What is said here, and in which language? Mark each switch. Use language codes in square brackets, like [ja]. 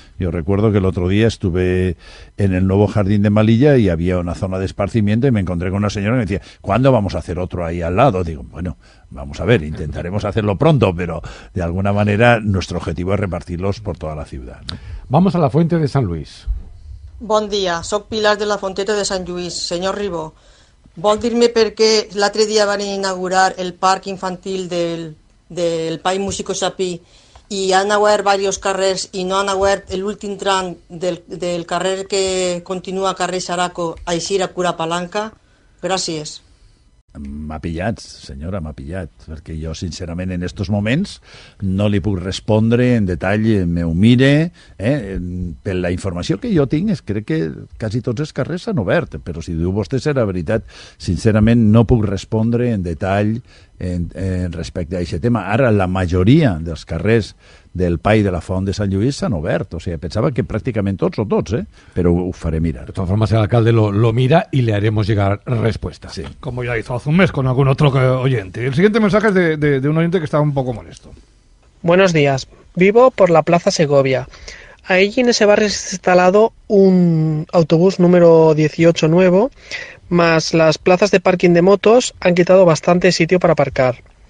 [es] Yo recuerdo que el otro día estuve en el nuevo jardín de Malilla y había una zona de esparcimiento y me encontré con una señora que me decía, ¿cuándo vamos a hacer otro ahí al lado? Digo, bueno, vamos a ver, intentaremos hacerlo pronto, pero de alguna manera nuestro objetivo es repartirlos por toda la ciudad, ¿no? Vamos a la Fuente de San Luis. Buen día, soy Pilar de la Fonteta de San Luis. [ca] Señor Ribó, vol dir-me per què l'altre dia van inaugurar el parc infantil del Pai Músico Sapí i han obert diversos carrers i no han obert l'últim tram del carrer que continua carrer Saraco a eixir a Cura Palanca? Gràcies. M'ha pillat, senyora, m'ha pillat, perquè jo, sincerament, en estos moments no li puc respondre en detall, m'ho mire, per la informació que jo tinc, crec que quasi tots els carrers s'han obert, però si diu vostè ser la veritat, sincerament no puc respondre en detall en respecte a aquest tema. Ara, la majoria dels carrers del Pai de la Font de Sant Lluís s'han obert. O sigui, pensava que pràcticament tots o tots, però ho faré mirar. De totes formes, l'alcalde lo mira i li [es] haremos llegar [ca] resposta. Sí. Com ja [es] hizo hace un mes con algún otro oyente. El siguiente mensaje es de un oyente que estaba un poco molesto. Buenos días. Vivo por la Plaza Segovia. Allí en ese barrio se ha instalado un autobús número 18 nuevo, más las plazas de parking de motos han quitado bastante sitio para aparcar.